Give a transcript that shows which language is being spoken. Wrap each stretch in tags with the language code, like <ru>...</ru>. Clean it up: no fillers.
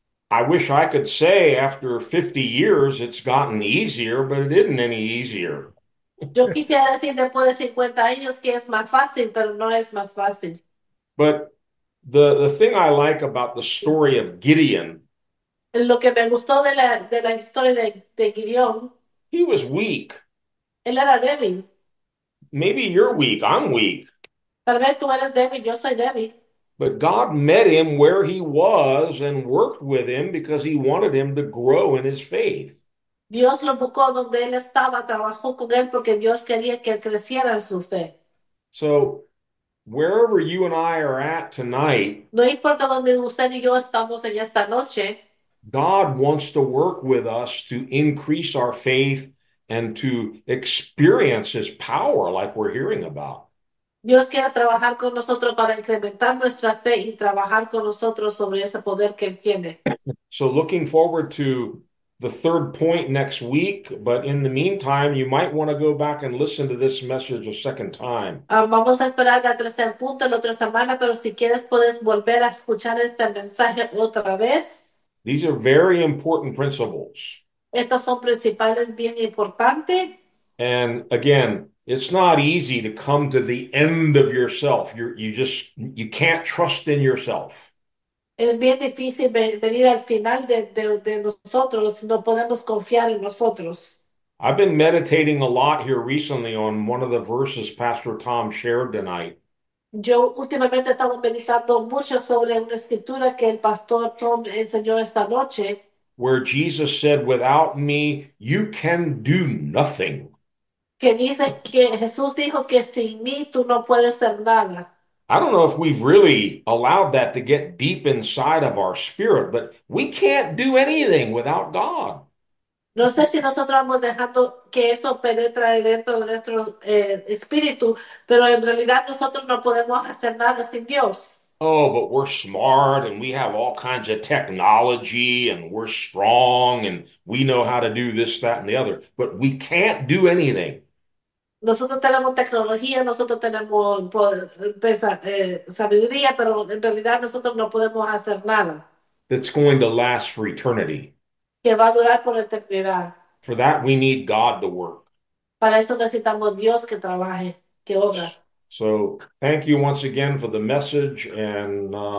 <en>I wish I could say after 50 years it's gotten easier, but it isn't any easier.</en> <es>Yo quisiera decir después de 50 años que es más fácil, pero no es más fácil.</es> <en>But the thing I like about the story of Gideon,</en> <es>Lo que me gustó de la historia de Gideon,</es> <en>he was weak.</en> <es>él era débil.</es> <en>Maybe you're weak, I'm weak.</en> <es>Tal vez tú eres débil, yo soy débil.</es> <en>But God met him where he was and worked with him because he wanted him to grow in his faith.</en> <es>Dios lo buscó donde él estaba, trabajó con él porque Dios quería que él creciera en su fe.</es> <en>So, wherever you and I are at tonight,</en> <es>No importa dónde usted y yo estamos en esta noche.</es> <en>God wants to work with us to increase our faith and to experience his power like we're hearing about.</en> <es>Dios quiere trabajar con nosotros para incrementar nuestra fe y trabajar con nosotros sobre ese poder que él tiene.</es> <en>So, looking forward to the third point next week, but in the meantime, you might want to go back and listen to this message a second time.</en> <es>Vamos a esperar al tercer punto la otra semana, pero si quieres puedes volver a escuchar este mensaje otra vez.</es> <en>These are very important principles.</en> <es>Estas son principales bien importantes.</es> <en>And again, it's not easy to come to the end of yourself. You can't trust in yourself.</en> <es>Es bien difícil venir al final de nosotros, no podemos confiar en nosotros.</es> <en>I've been meditating a lot here recently on one of the verses Pastor Tom shared tonight.</en> <es>Yo últimamente estaba meditando mucho sobre una escritura que el pastor Tom enseñó esta noche.</es> <en>Where Jesus said, "Without me, you can do nothing."</en> <es>Que dice que Jesús dijo que sin mí tú no puedes hacer nada.</es> <en>I don't know if we've really allowed that to get deep inside of our spirit, but we can't do anything without God.</en> <es>No sé si nosotros vamos dejando que eso penetre dentro de nuestro espíritu, pero en realidad nosotros no podemos hacer nada sin Dios.</es> <en>Oh, but we're smart and we have all kinds of technology and we're strong and we know how to do this, that, and the other. But we can't do anything.</en> <es>Nosotros tenemos tecnología, nosotros tenemos poder, sabiduría, pero en realidad nosotros no podemos hacer nada</es> <en>That's going to last for eternity.</en> <es>que va a durar por eternidad.</es> <en>For that, we need God to work.</en> <es>Para eso necesitamos Dios que trabaje, que obra.</es> <en>So, thank you once again for the message, and</en>